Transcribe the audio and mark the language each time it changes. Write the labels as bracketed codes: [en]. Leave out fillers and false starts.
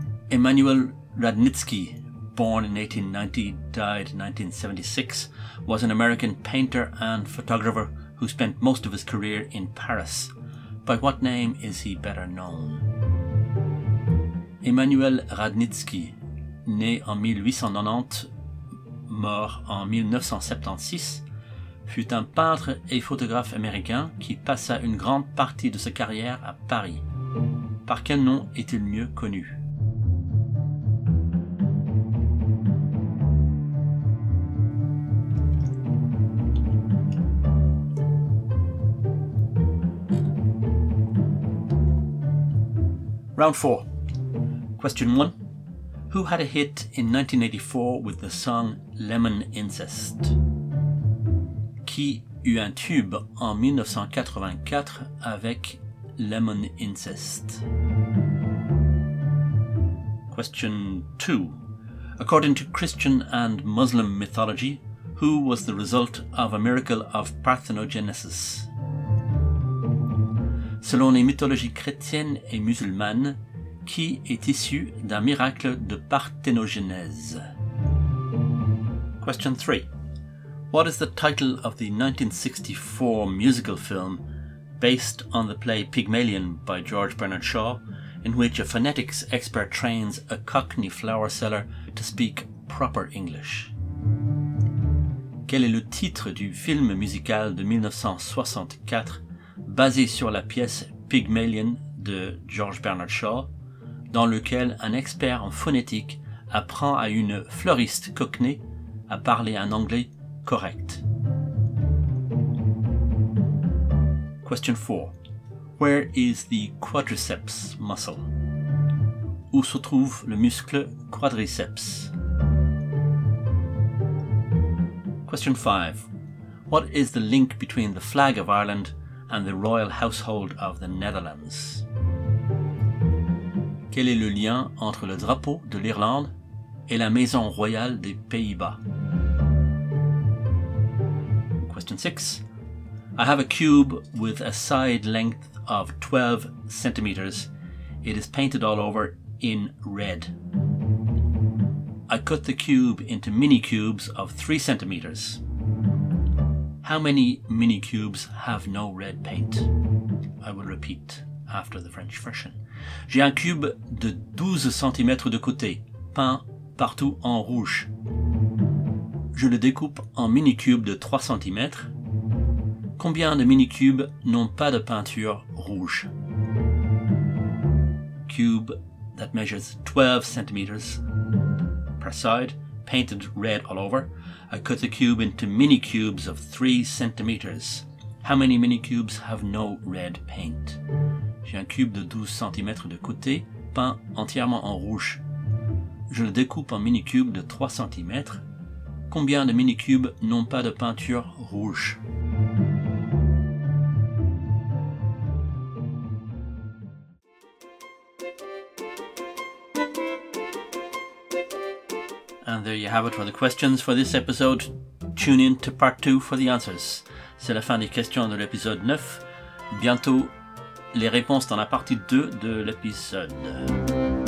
[en] Emmanuel Radnitsky, born in 1890, died in 1976, was an American painter and photographer who spent most of his career in Paris. By what name is he better known? [fr] Emmanuel Radnitsky, né en 1890, mort en 1976, fut un peintre et photographe américain qui passa une grande partie de sa carrière à Paris. Par quel nom est-il mieux connu? [en] Round 4. Question 1. Who had a hit in 1984 with the song Lemon Incest? [fr] Qui eut un tube en 1984 avec Lemon Incest? [en] Question 2. According to Christian and Muslim mythology, who was the result of a miracle of parthenogenesis? [fr] Selon les mythologies chrétiennes et musulmanes, qui est issu d'un miracle de parthénogenèse? [en] Question 3. What is the title of the 1964 musical film based on the play Pygmalion by George Bernard Shaw, in which a phonetics expert trains a Cockney flower seller to speak proper English? [fr] Quel est le titre du film musical de 1964 basé sur la pièce Pygmalion de George Bernard Shaw, dans lequel un expert en phonétique apprend à une fleuriste cockney à parler un anglais correct? [en] Question 4. Where is the quadriceps muscle? [fr] Où se trouve le muscle quadriceps? [en] Question 5. What is the link between the flag of Ireland and the royal household of the Netherlands? Quel est le lien entre le drapeau de l'Irlande et la maison royale des Pays-Bas? Question 6. I have a cube with a side length of 12 centimeters. It is painted all over in red. I cut the cube into mini cubes of 3 centimeters. How many mini cubes have no red paint? I will repeat after the French version. [fr] J'ai un cube de 12 cm de côté, peint partout en rouge. Je le découpe en mini-cubes de 3 cm. Combien de mini-cubes n'ont pas de peinture rouge? [en] Cube that measures 12 cm per side, painted red all over. I cut the cube into mini-cubes of 3 cm. How many mini-cubes have no red paint? [fr] J'ai un cube de 12 cm de côté, peint entièrement en rouge. je le découpe en mini-cubes de 3 cm. Combien de mini-cubes n'ont pas de peinture rouge? [en] And there you have it for the questions for this episode. Tune in to part 2 for the answers. [fr] C'est la fin des questions de l'épisode 9. Bientôt, les réponses dans la partie 2 de l'épisode.